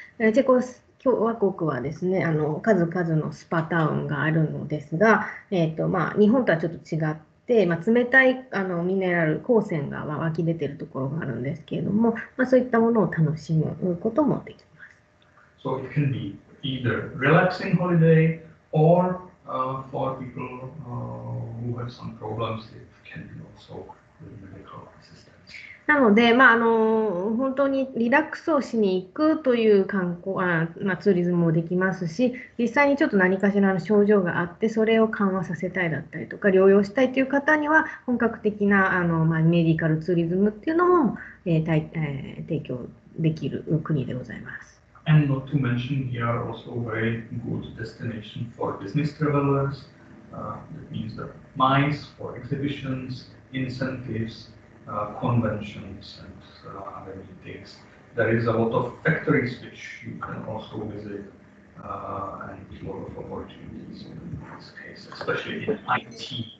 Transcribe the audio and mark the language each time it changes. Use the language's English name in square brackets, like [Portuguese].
[Japanese] チェコ共和国はですね、数々のスパタウンがあるのですが、まあ、日本とはちょっと違って、まあ、冷たいミネラル鉱泉が湧き出ているところがあるんですけれども、まあ、そういったものを楽しむこともできます。 [English] So it can be either relaxing holiday orfor people who have some problems, it can be also with medical assistance. [Japanese] なので、まあ、本当にリラックスをしに行くという観光、まあ、ツーリズムもできますし、実際にちょっと何かしらの症状があって、それを緩和させたいだったりとか、療養したいという方には、本格的なまあ、メディカルツーリズムっていうのも、提供できる国でございます。 [English] And not to mention, here are also very good destination for business travelers. That means the MICE for exhibitions, incentives, conventions, and other meetings. There is a lot of factories which you can also visit, and a lot of opportunities in this case, especially in IT.